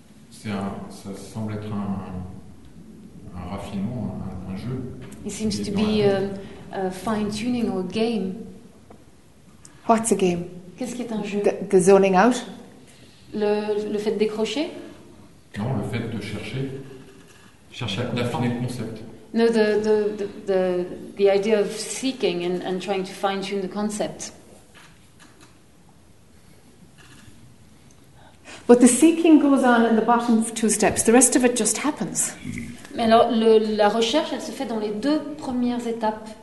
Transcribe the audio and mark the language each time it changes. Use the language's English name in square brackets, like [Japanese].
[French] Ça semble être un raffinement, un jeu. [English] It seems to be a fine-tuning or a game. What's a game? [French] Qu'est-ce qui est un jeu? [English] The zoning out? [French] Le fait de décrocher? Non, le fait de chercher à d'affiner le concept. [English] No, the idea of seeking and trying to fine-tune the concept. But the seeking goes on in the bottom of 2 steps. The rest of it just happens. [French] Mais alors, la recherche, elle se fait dans les 2 premières étapes.